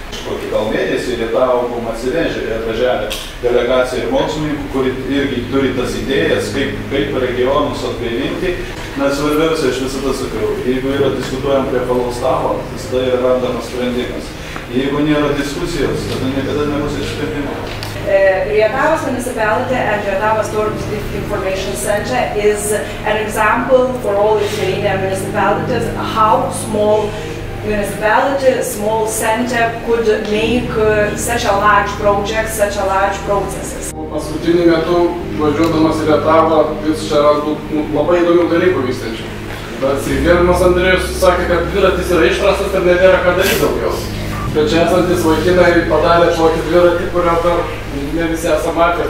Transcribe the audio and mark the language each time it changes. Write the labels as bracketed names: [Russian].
[Lithuanian] Kokį gal mėnesį Lietuvą buvom atsivežę ir atvažiavę delegaciją ir mokslininkų, kuri irgi turi tas idėjas, kaip regionus atgaivinti. Na, svarbiausia, aš visada sakiau, jeigu yra diskutuojama prie palo stalo, visada yra randamas sprendimas. Jeigu nėra diskusijos, tada niekada nebus išsprendimo. [English] Rietavos municipality and Rietavos Tourism Information Center is an example for all Lithuanian municipalities how small municipality, small center could make such a large project, such a large processes. [Lithuanian] Paskutiniu metu, važiuodamas į Rietavą, vis čia randu labai įdomių dalykų vystančių. Bet gerbiamas Andrėjus sakė, kad dviratis yra išprastas ir nebėra ką daryti daugiau. Bet čia esantis vaikinai padarė tokį dviratį, kurio dar ne visi esam matę.